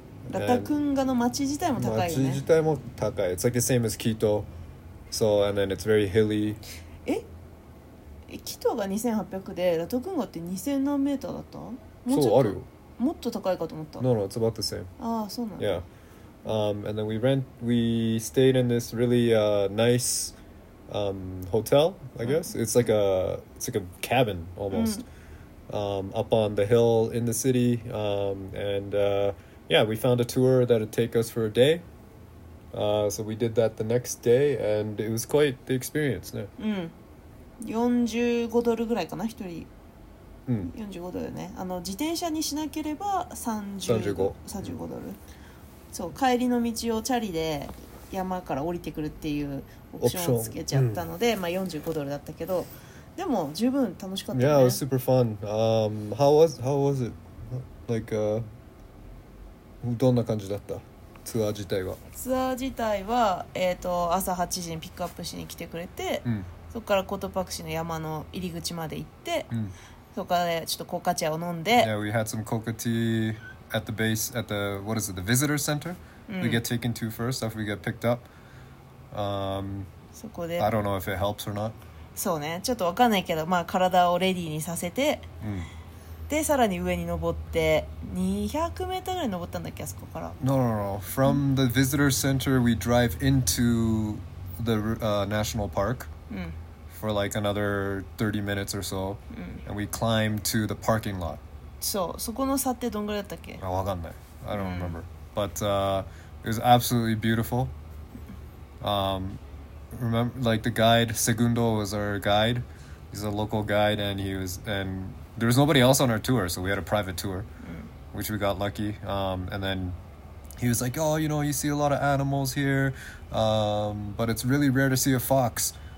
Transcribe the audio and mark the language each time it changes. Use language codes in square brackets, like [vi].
[ja] ラタクンガの街自体も高いよね。街自体も高い。 [en] It's like the same as Quito. So, and then it's very hilly. [ja] キトが2800でラタクンガって2000何メーターだった？そう、あるよ。もっと高いかと思った。 [en] No, no, it's about the same. [ja] ああ、そうなんだ。 [en] Yeah. And then we stayed in this really nice hotel, I guess. Mm. It's like a cabin almost. Mm. Up on the hill in the city. Yeah, we found a tour that would take us for a day. So we did that the next day, and it was quite the experience. Yeah. [ja] Mm. 45ドルぐらいかな、一人。 45ドルね。あの、自転車にしなければ35ドル。そう、帰りの道をチャリで山から降りてくるっていうオプションをつけちゃったので、まあ45ドルだったけど、でも十分楽しかった [en] ね。Yeah, it was super fun. How was it? Like, [ja] どんな感じだった？ツアー自体は。ツアー自体は、朝8時にピックアップしに来てくれて、そこからコトパクシの山の入り口まで行って、そこからちょっとコカチャを飲んで。 [en] Yeah, we had some coca tea at the base, at the, what is it, the visitor center? We get taken to first after we get picked up. [ja] そこで。 [en] I don't know if it helps or not. [ja] そうね、ちょっとわかんないけど、まあ体をレディにさせて、で、さらに上に登って、200メートルぐらい登ったんだっけ、あそこから。 [en] No, no, no. From the visitor center, we drive into the national park. For like another 30 minutes or so, and we climb to the parking lot. So, [ja] そこの差ってどんぐらいだったっけ？あ、わかんない。 [en] I don't remember. But it was absolutely beautiful. Remember, like the guide, Segundo was our guide. He's a local guide, and he was, and there was nobody else on our tour, so we had a private tour, which we got lucky. And then he was like, oh, you know, you see a lot of animals here, but it's really rare to see a fox.